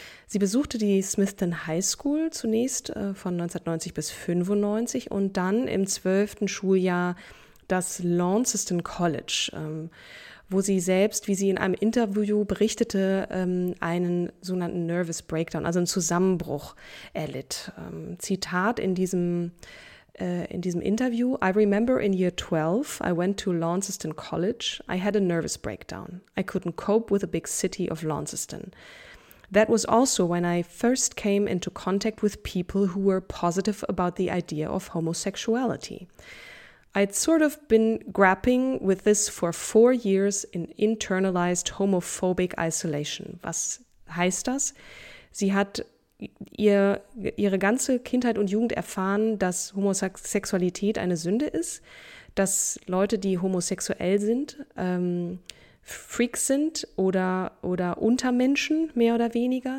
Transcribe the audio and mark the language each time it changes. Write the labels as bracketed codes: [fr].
[de] Sie besuchte die Smithton High School zunächst von 1990 bis 1995 und dann im 12. Schuljahr das Launceston College, wo sie selbst, wie sie in einem Interview berichtete, einen sogenannten Nervous Breakdown, also einen Zusammenbruch erlitt. Zitat in diesem Interview: [en] I remember in year 12, I went to Launceston College, I had a nervous breakdown. I couldn't cope with the big city of Launceston. That was also when I first came into contact with people who were positive about the idea of homosexuality. I'd sort of been grappling with this for 4 years in internalized homophobic isolation. [de] Was heißt das? Sie hat ihre ganze Kindheit und Jugend erfahren, dass Homosexualität eine Sünde ist, dass Leute, die homosexuell sind, Freaks sind oder Untermenschen, mehr oder weniger.